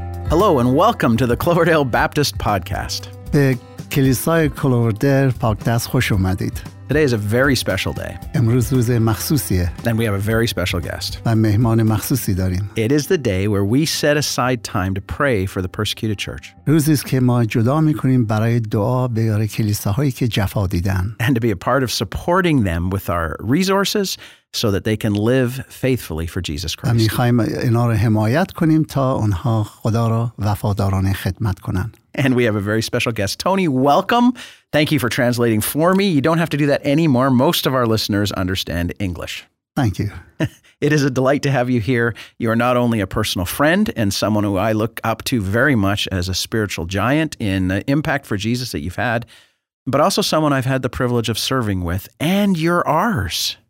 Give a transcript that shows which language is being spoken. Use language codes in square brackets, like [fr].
[en] Hello and welcome to the Cloverdale Baptist Podcast. [fa] به کلیسای کلوردل پادکست خوش اومدید. [en] Today is a very special day. [fa] امروز روز مخصوصیه. [en] And we have a very special guest. [fa] و مهمان مخصوصی داریم. [en] It is the day where we set aside time to pray for the persecuted church. [fa] روزیست که ما جدا میکنیم برای دعا برای کلیساهایی که جفا دیدن. [en] And to be a part of supporting them with our resources so that they can live faithfully for Jesus Christ. [fa] ما می‌خوایم اینا رو حمایت کنیم تا اونها خدا رو وفادارانه خدمت کنن. [en] And we have a very special guest. Tony, welcome. Thank you for translating for me. You don't have to do that anymore. Most of our listeners understand English. Thank you. It is a delight to have you here. You are not only a personal friend and someone who I look up to very much as a spiritual giant in the impact for Jesus that you've had, but also someone I've had the privilege of serving with, and you're ours.